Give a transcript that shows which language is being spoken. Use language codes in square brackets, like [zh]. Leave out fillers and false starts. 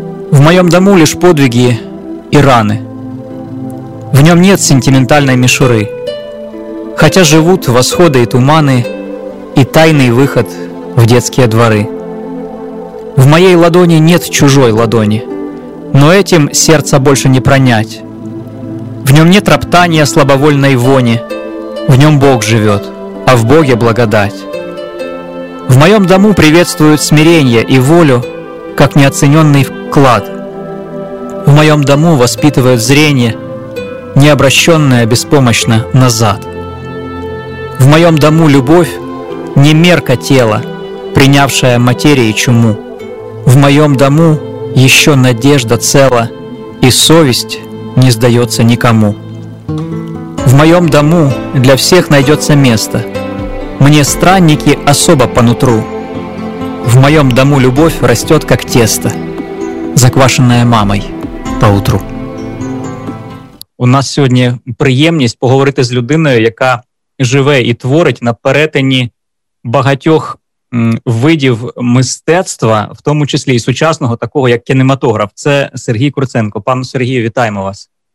[uk] В моєму дому лиш подвиги і рани. В ньому нет сентиментальної мішури. Хоча живуть восходи і тумани, і тайний вихід в дітські двори. В моєй ладоні нет чужої ладоні. [ru] Но этим сердце больше не пронять. В нем нет роптания слабовольной вони. В нем Бог живет, а в Боге благодать. В моем дому приветствуют смирение и волю, как неоцененный вклад. В моем дому воспитывают зрение, не обращенное беспомощно назад. В моем дому любовь не мерка тела, принявшая материи чуму. В моем дому еще надежда цела, и совесть не сдается никому. В моем дому для всех найдется место, мне странники особо по нутру. В моем дому любовь растет, как тесто, заквашенное мамой поутру. [uk] У нас сьогодні приємність поговорити з людиною, яка живе і творить на перетині багатьох видів мистецтва, в тому числі і сучасного, такого як кінематограф. Це Сергій Круценко. Пане Сергію, вітаємо вас.